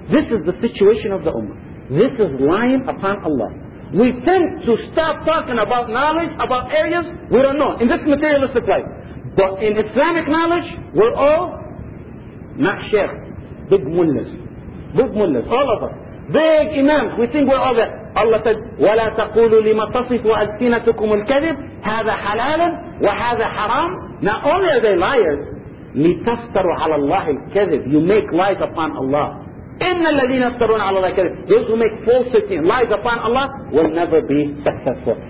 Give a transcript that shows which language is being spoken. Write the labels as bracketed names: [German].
[English] This is the situation of the ummah. This is lying upon Allah. We tend to stop talking about knowledge, about areas we don't know. In this materialistic life. But in Islamic knowledge, we're all not sheikh, big mullahs. Big mullahs, all of us. Big imams, we think we're all there. Allah said, [Arabic] وَلَا تَقُولُوا لِمَا تَصِفُوا أَلْسِنَتُكُمُ الْكَذِبُ هَذَا حَلَالٌ وَهَذَا حَرَامٌ. [English] Not only are they liars, [Arabic] لِتَفْتَرُوا عَلَى اللَّهِ الْكَذِبُ. [English] You make lies upon Allah. [Arabic] إِنَّ الَّذِينَ يَفْتَرُونَ عَلَى اللَّهِ الْكَذِبُ. [English] Those who make falsity, lies upon Allah, will never be successful.